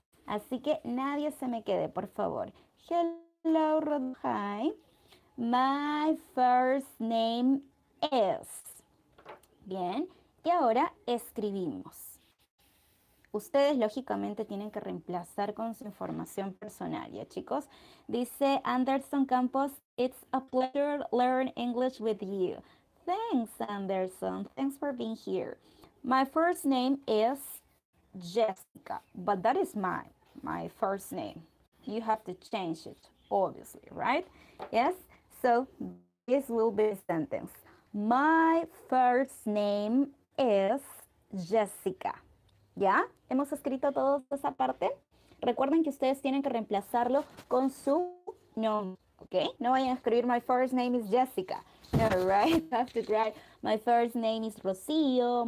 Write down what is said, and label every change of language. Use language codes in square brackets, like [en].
[es] Así que nadie se me quede, por favor. [en] Hello, Rodhai. My first name is. [es] Bien, y ahora escribimos. Ustedes lógicamente tienen que reemplazar con su información personal, ¿ya, chicos? Dice Anderson Campos, [en] it's a pleasure learn English with you. Thanks, Anderson. Thanks for being here. My first name is Jessica, but that is my first name. You have to change it, obviously, right? Yes. So this will be a sentence. My first name is Jessica. [es] ¿Ya? ¿Hemos escrito todos esa parte? Recuerden que ustedes tienen que reemplazarlo con su nombre, ¿ok? No vayan a escribir [en] My first name is Jessica. [es] No, [en] right? You have to write My first name is Rocío.